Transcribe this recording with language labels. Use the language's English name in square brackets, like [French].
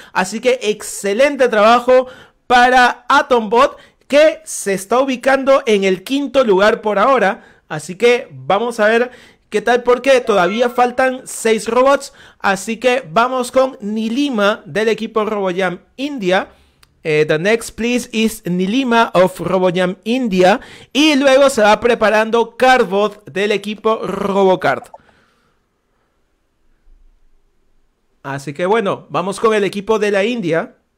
[Spanish] Así que excelente trabajo para Atombot, que se está ubicando en el quinto lugar por ahora. Así que vamos a ver qué tal, porque todavía faltan 6 robots. Así que vamos con Nilima del equipo RoboJam India. [English] The next please is Nilima of RoboJam India. [Spanish] Y luego se va preparando Cardbot del equipo RoboCard. Así que bueno, vamos con el equipo de la India.